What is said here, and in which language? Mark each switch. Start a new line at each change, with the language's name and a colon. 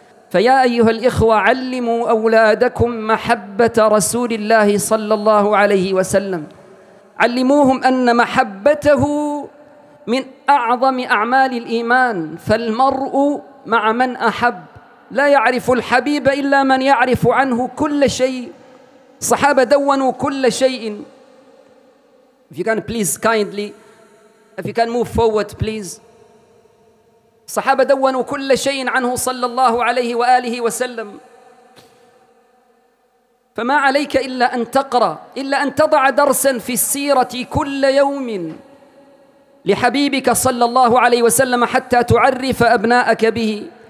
Arabic: فيا أيها الإخوة، علموا أولادكم محبة رسول الله صلى الله عليه وسلم، علموهم أن محبته من أعظم أعمال الإيمان، فالمرء مع من أحب. لا يعرف الحبيب إلا من يعرف عنه كل شيء. صحابة دونوا كل شيء.
English: If you can please kindly, if you can move forward please.
Arabic: صحابة دونوا كل شيء عنه صلى الله عليه وآله وسلم. فما عليك إلا أن تقرأ، إلا أن تضع درسا في السيرة كل يوم لحبيبك صلى الله عليه وسلم حتى تعرف أبناءك به.